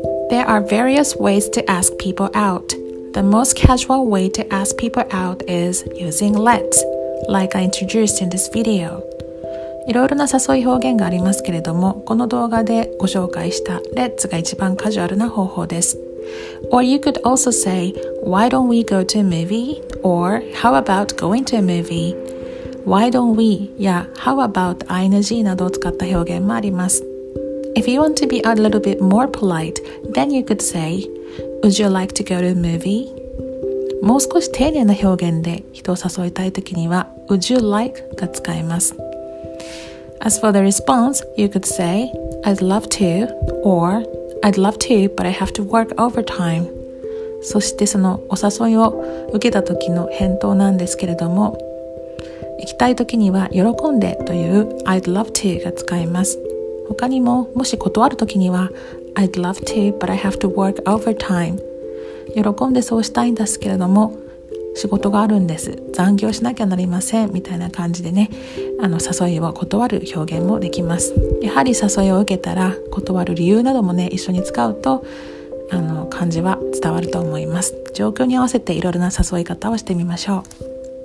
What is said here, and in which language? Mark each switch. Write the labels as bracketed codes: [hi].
[en] There are various ways to ask people out. The most casual way to ask people out is using let's, like I introduced in this video. [ja] いろいろな誘い表現がありますけれども、この動画でご紹介した let's が一番カジュアルな方法です。 [en] Or you could also say, why don't we go to a movie? Or how about going to a movie? Why don't we? [ja] や [en] how about ing [ja] などを使った表現もあります。 [en] If you want to be a little bit more polite, then you could say, Would you like to go to a movie? [ja] もう少し丁寧な表現で人を誘いたいときには、 [en] Would you like? [ja] が使えます。 [en] As for the response, you could say, I'd love to, or I'd love to, but I have to work overtime. [ja] そしてそのお誘いを受けたときの返答なんですけれども、行きたいときには喜んでという [en] I'd love to [ja] が使えます。他にも、もし断るときには、 [en] I'd love to, but I have to work overtime. [ja] 喜んでそうしたいんですけれども、仕事があるんです。残業しなきゃなりません。みたいな感じでね、誘いを断る表現もできます。やはり誘いを受けたら、断る理由などもね、一緒に使うと、感じは伝わると思います。状況に合わせていろいろな誘い方をしてみましょう。